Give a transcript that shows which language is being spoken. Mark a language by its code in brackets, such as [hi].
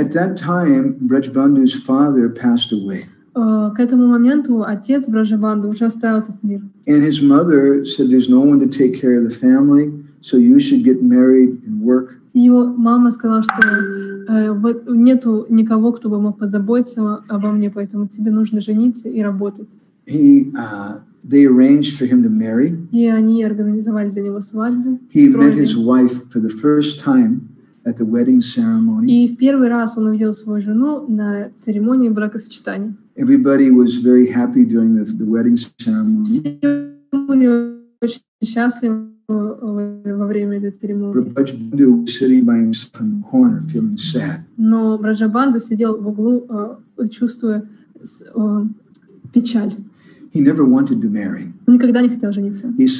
[en] At that time, Брадж-банду's father passed away. [ru] К этому моменту отец Брадж-банду уже оставил этот мир. [en] And his mother said, "There's no one to take care of the family, so you should get married and work." [ru] Его мама сказала, что нету никого, кто бы мог позаботиться обо мне, поэтому тебе нужно жениться и работать. [en] They arranged for him to marry. [ru] И они организовали для него свадьбу. [en] He met his wife for the first time at the wedding ceremony. [ru] И в первый раз он увидел свою жену на церемонии бракосочетания. [en] Everybody was very happy during the wedding ceremony. [ru] Все были очень счастливы. Во время этой церемонии. Но Брадж-банду сидел в углу, чувствуя печаль. Он никогда не хотел жениться.